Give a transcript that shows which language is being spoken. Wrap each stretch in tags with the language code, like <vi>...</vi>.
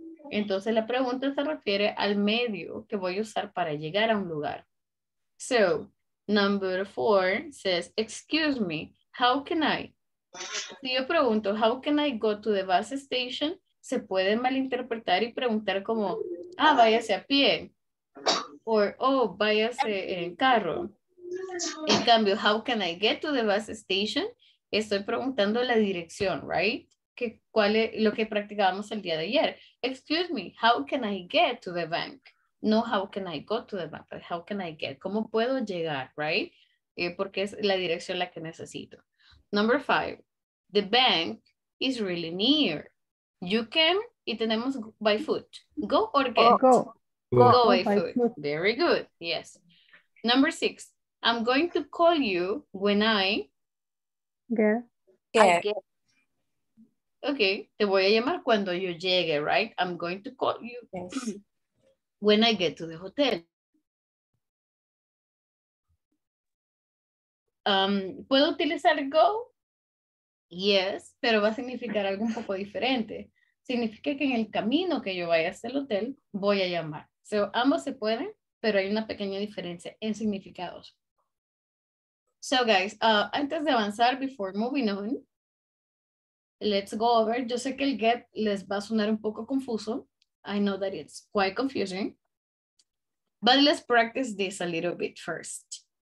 <es>Entonces la pregunta se refiere al medio que voy a usar para llegar a un lugar.</es> <en>So, number four says, excuse me, how can I?</en> <es>Si yo pregunto,</es> <en>how can I go to the bus station?</en> <es>Se puede malinterpretar y preguntar como, ah, váyase a pie. Or, oh, váyase en carro. En cambio,</es> <en>how can I get to the bus station?</en> <es>Estoy preguntando la dirección,</es> <en>right?</en> <es>Que, ¿cuál es lo que practicábamos el día de ayer?</es> <en>Excuse me, how can I get to the bank? No, how can I go to the bank, but how can I get?</en> <es>¿Cómo puedo llegar,</es> <en>right?</en> <es>Porque es la dirección la que necesito.</es> <en>Number five, the bank is really near. You can,</en> <es>y tenemos</es> <en>by foot. Go or get? Go by foot. Very good, yes. Number six, I'm going to call you when I get.</en> <es>Okay, te voy a llamar cuando yo llegue,</es> <en>right? I'm going to call you when I get to the hotel.</en> <es>¿Puedo utilizar go?</es> <en>Yes,</en> <es>pero va a significar algo un poco diferente. Significa que en el camino que yo vaya hasta el hotel, voy a llamar. So, ambos se pueden, pero hay una pequeña diferencia en significados.</es> <en>So, guys,</en> <es>antes de avanzar,</es> <en>before moving on, let's go over.</en> <es>Yo sé que el get les va a sonar un poco confuso.</es> <en>I know that it's quite confusing. But let's practice this a little bit first.</en>